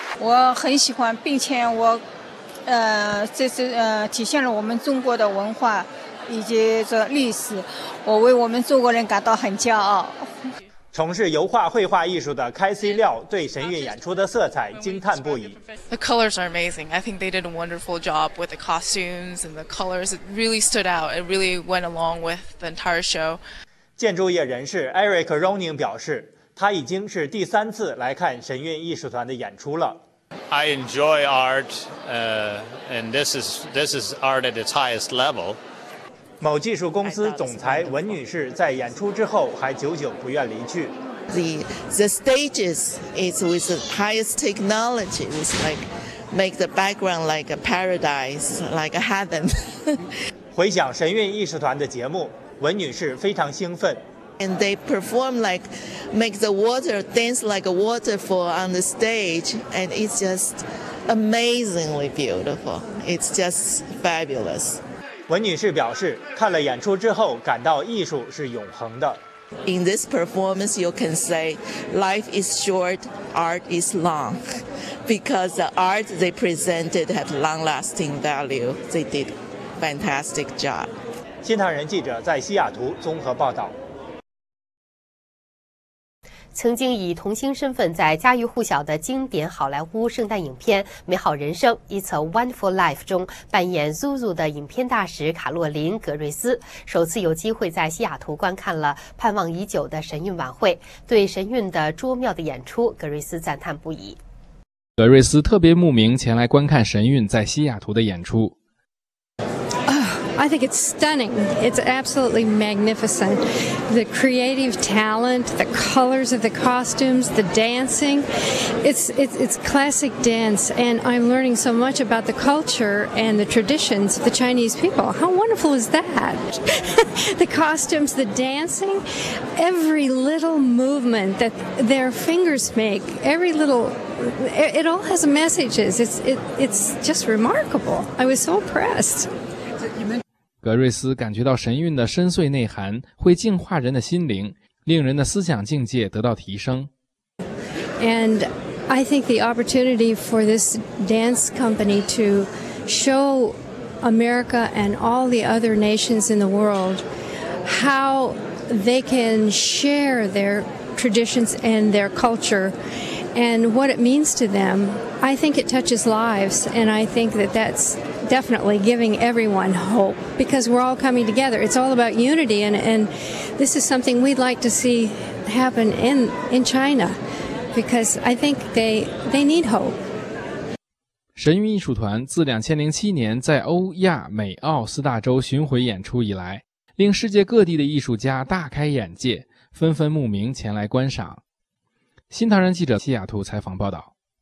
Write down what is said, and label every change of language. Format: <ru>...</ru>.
<zh>我很喜欢，并且我这是体现了我们中国的文化以及这历史，我为我们中国人感到很骄傲。从事油画绘画艺术的开 C 廖对神韵演出的色彩惊叹不已。</zh> <en>The colors are amazing. I think they did a wonderful job with the costumes and the colors. It really stood out. It really went along with the entire show.</en> <zh>建筑业人士 Eric Roning 表示，他已经是第三次来看神韵艺术团的演出了。</zh> <en>I enjoy art, and this is art at its highest level.</en> <zh>某技术公司总裁文女士在演出之后还久久不愿离去。</zh> <en>The stages is with the highest technology. It's like make the background like a paradise, like a heaven.</en> <zh>回想神韵艺术团的节目，文女士非常兴奋。</zh> <en>And they perform like make the water dance like a waterfall on the stage, and it's just amazingly beautiful. It's just fabulous.</en> <zh>文女士表示，看了演出之后，感到艺术是永恒的。</zh> <en>In this performance, you can say life is short, art is long, because the art they presented have long-lasting value. They did fantastic job.</en> <zh>新唐人记者在西雅图综合报道。曾经以童星身份在家喻户晓的经典好莱坞圣诞影片《美好人生》（It's a Wonderful Life） 中扮演 Zuzu 的影片大使卡洛琳·格瑞斯，首次有机会在西雅图观看了盼望已久的神韵晚会。对神韵的卓妙的演出，格瑞斯赞叹不已。格瑞斯特别慕名前来观看神韵在西雅图的演出。</zh> <en>I think it's stunning. It's absolutely magnificent. The creative talent, the colors of the costumes, the dancing. It's classic dance, and I'm learning so much about the culture and the traditions of the Chinese people. How wonderful is that? The costumes, the dancing, every little movement that their fingers make, every little, it all has messages. It's just remarkable. I was so impressed.</en> <zh>格瑞斯感觉到神韵的深邃内涵会净化人的心灵，令人的思想境界得到提升。</zh> <en>And I think the opportunity for this dance company to show America and all the other nations in the world how they can share their traditions and their culture and what it means to them, I think it touches lives, and I think that's. Definitely giving everyone hope because we're all coming together. It's all about unity, and this is something we'd like to see happen in China because I think they need hope.</en> <zh>神韵艺术团自2007年在欧亚美澳四大洲巡回演出以来，令世界各地的艺术家大开眼界，纷纷慕名前来观赏。新唐人记者西雅图采访报道。</zh>